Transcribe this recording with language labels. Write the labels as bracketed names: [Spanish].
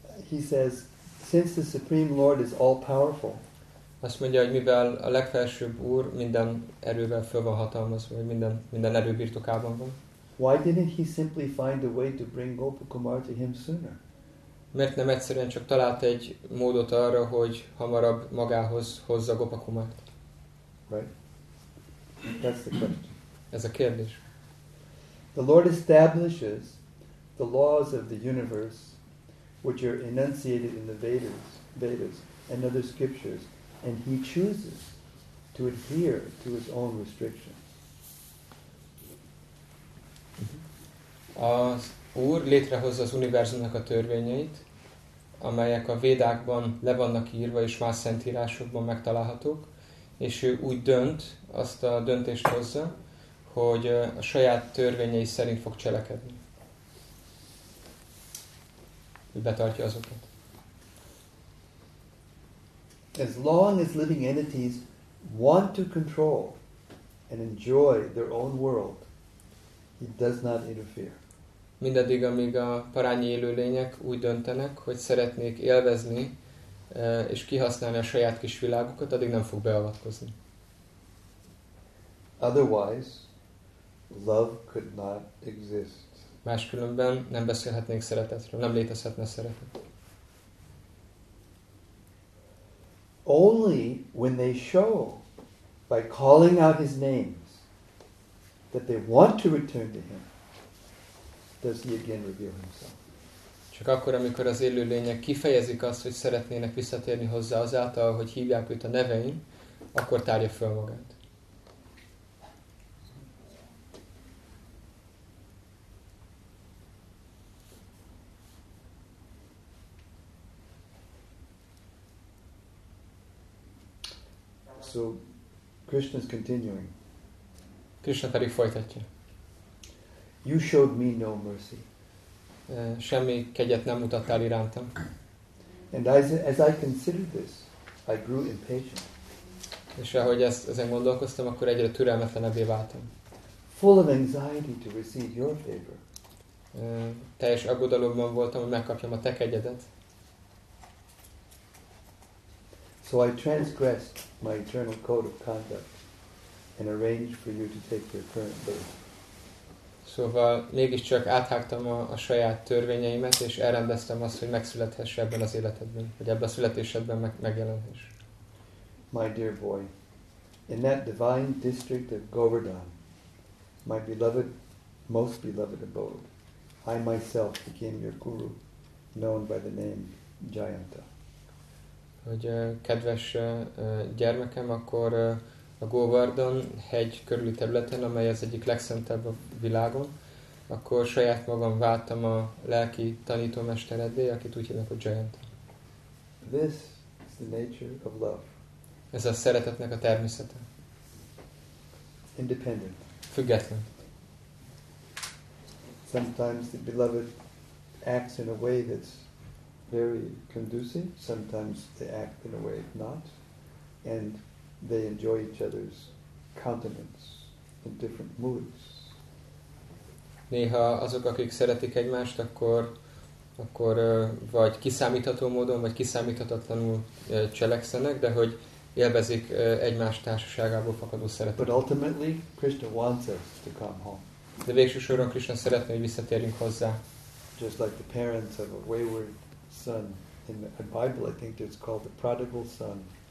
[English] He says, since the Supreme Lord is all-powerful, [Hungarian] azt mondja, hogy mivel a legfelsőbb úr minden erővel föl van hatalmazva, vagy minden erőbirtokában van. [English] Why didn't he simply find a way to bring Gopakumar to him sooner? [Hungarian] Mert nem egyszerűen csak talált egy módot arra, hogy hamarabb magához hozza Gopakumart. [English] Right. That's the question. [Hungarian] Ez a kérdés. [English] The Lord establishes the laws of the universe, which are enunciated in the Vedas and other scriptures, and he chooses to adhere to his own restrictions. [Hungarian] Az Úr létrehozza az univerzumnak a törvényeit, amelyek a Védákban le vannak írva, és más szentírásokban megtalálhatók, és ő úgy dönt, azt a döntést hozza, hogy a saját törvényei szerint fog cselekedni. Ő betartja azokat. [English] As long as living entities want to control and enjoy their own world, he does not interfere. [Hungarian] Mindaddig, amíg a parányi élőlények úgy döntenek, hogy szeretnék élvezni és kihasználni a saját kis világukat, addig nem fog beavatkozni. [English] Otherwise, love could not exist. [Hungarian] Máskülönben nem beszélhetnénk szeretetről, nem létezhetne szeretet. [English] Only when they show, by calling out his names, that they want to return to him, does he again reveal himself. [Hungarian] Csak akkor, amikor az élőlények kifejezik azt, hogy szeretnének visszatérni hozzá azáltal, hogy hívják őt a nevein, akkor tárja föl magát. [English] So Krishna is continuing. [Hungarian] Krishna pedig folytatja. [English] You showed me no mercy. [Hungarian] Semmi kegyet nem mutattál irántam. [English] And as I considered this, I grew impatient. [Hungarian] És ahogy ezen gondolkoztam, akkor egyre türelmetlenebbé váltam. [English] Full of anxiety to receive your favor. [Hungarian] Teljes aggodalomban voltam, hogy megkapjam a te kegyedet. [English] So I transgressed my eternal code of conduct and arranged for you to take your current birth. [Hungarian] Szóval mégiscsak áthágtam a saját törvényeimet, és elrendeztem azt, hogy megszülethesse ebben az életedben, vagy ebben a születésedben megjelenhess. [English] My dear boy, in that divine district of Govardhan, my beloved, most beloved abode, I myself became your guru, known by the name Jayanta. [Hungarian] Hogy kedves gyermekem, akkor a Govardhan hegy körüli területen, amely az egyik legszentebb a világon, akkor saját magam váltam a lelki tanítómesteredé, akit úgy hívnak, hogy Jayanta. [English] This is the nature of love. [Hungarian] Ez a szeretetnek a természete. [English] Independent. [Hungarian] Független. [English] Sometimes the beloved acts in a way that's very conducive, sometimes they act in a way of not, and they enjoy each other's countenance in different moods. [Hungarian] Néha azok, akik szeretik egymást, akkor vagy kiszámítható módon, vagy kiszámíthatatlanul cselekszenek, de hogy élvezik egymás társaságából fakadó szeretet. [English] But ultimately, Krishna wants us to come home. [Hungarian] De végső soron Krishna szeretné, hogy visszatérjünk hozzá. [English] Just like the parents of a wayward son. In the Bible, I think it's called the prodigal son.